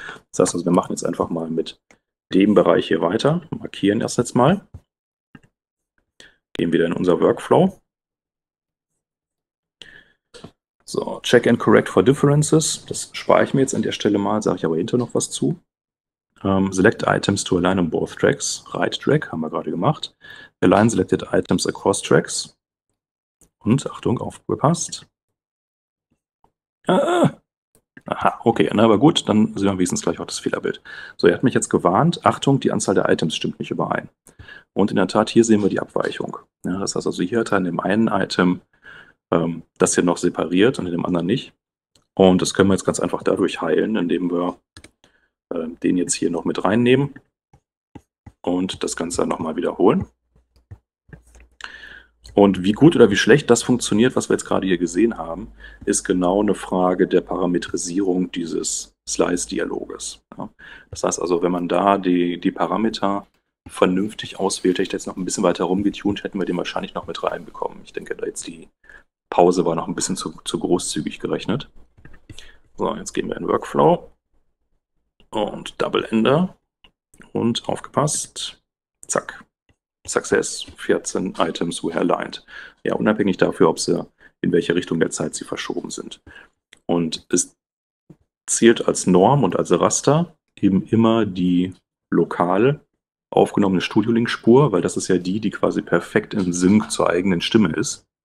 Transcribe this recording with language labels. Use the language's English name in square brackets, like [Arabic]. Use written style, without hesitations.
[German] Das heißt also, wir machen jetzt einfach mal mit dem Bereich hier weiter, markieren erst jetzt mal, gehen wieder in unser Workflow. So, [English] check and correct for differences, [German] das spare ich mir jetzt an der Stelle mal, sage ich aber hinter noch was zu. [English] Select items to align on both tracks, right track, [German] haben wir gerade gemacht. [English] Align selected items across tracks. [German] Und Achtung, aufgepasst. Aha, okay, na, aber gut, dann sehen wir wenigstens gleich auch das Fehlerbild. So, er hat mich jetzt gewarnt. Achtung, die Anzahl der Items stimmt nicht überein. Und in der Tat, hier sehen wir die Abweichung. Ja, das heißt also, hier hat er in dem einen Item das hier noch separiert und in dem anderen nicht. Und das können wir jetzt ganz einfach dadurch heilen, indem wir den jetzt hier noch mit reinnehmen und das Ganze dann nochmal wiederholen. Und wie gut oder wie schlecht das funktioniert, was wir jetzt gerade hier gesehen haben, ist genau eine Frage der Parametrisierung dieses Slice-Dialoges. Ja. Das heißt also, wenn man da die Parameter vernünftig auswählt, hätte ich jetzt noch ein bisschen weiter rumgetunt, hätten wir den wahrscheinlich noch mit reinbekommen. Ich denke, da jetzt die Pause war noch ein bisschen zu großzügig gerechnet. So, jetzt gehen wir in Workflow und Double Ender und aufgepasst, zack. [English] Success, 14 Items were aligned. [German] Ja, unabhängig dafür, ob sie in welche Richtung der Zeit sie verschoben sind. Und es zählt als Norm und als Raster eben immer die lokale aufgenommene Studio-Link-Spur, weil das ist ja die, die quasi perfekt in Sync zur eigenen Stimme ist.